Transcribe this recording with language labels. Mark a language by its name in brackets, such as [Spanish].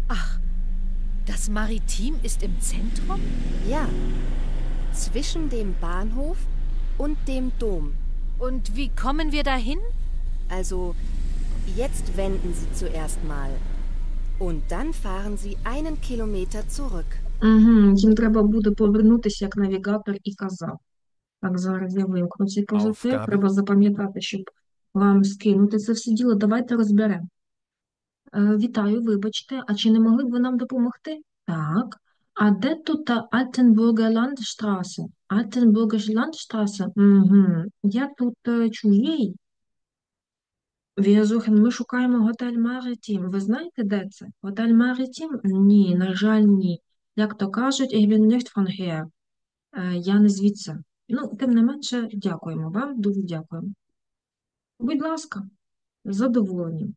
[German] Ach, das Maritim ist im Zentrum? Ja, zwischen dem Bahnhof und dem Dom. Und wie kommen wir dahin? Also, jetzt wenden Sie zuerst mal. Und dann fahren Sie einen Kilometer zurück. [Ukrainian] Їм треба буде повернутися, як навігатор і казав. Так, зараз я вимкну ці позитив. Треба запам'ятати, щоб вам скинути це все діло. Давайте розберемо. Вітаю, вибачте, а чи не могли б ви нам допомогти? Так. А де тут та Altenburger Landstraße? Altenburger Landstraße? Я тут чужий. В'язухин, ми шукаємо готель Maritim. Ви знаєте, де це? Готель Maritim? Ні, на жаль, ні. Як то кажуть, [German] ich bin nicht von hier. [Ukrainian] Я не звідси. Ну, тим не менше, дякуємо вам, дуже дякуємо. Будь ласка. Задоволені.